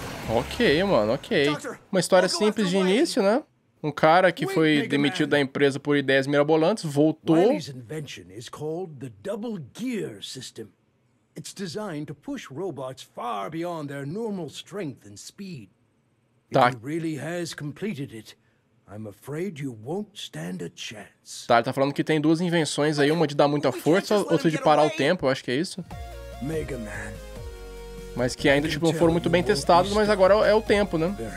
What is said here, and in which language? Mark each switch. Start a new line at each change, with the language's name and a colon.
Portuguese: Ok, mano, ok. Uma história simples de início, né? Um cara que foi demitido da empresa por ideias mirabolantes voltou.
English: Wily's invention is called the double gear system. It's designed to push robots far beyond their normal strength and speed. If he really has completed it, I'm afraid you won't stand a chance.
Portuguese: Tá, ele tá falando que tem duas invenções aí, uma de dar muita força, outra de parar o tempo, eu acho que é isso. Mega Man. Mas que ainda, tipo, não foram muito bem testados, mas agora é o tempo, né?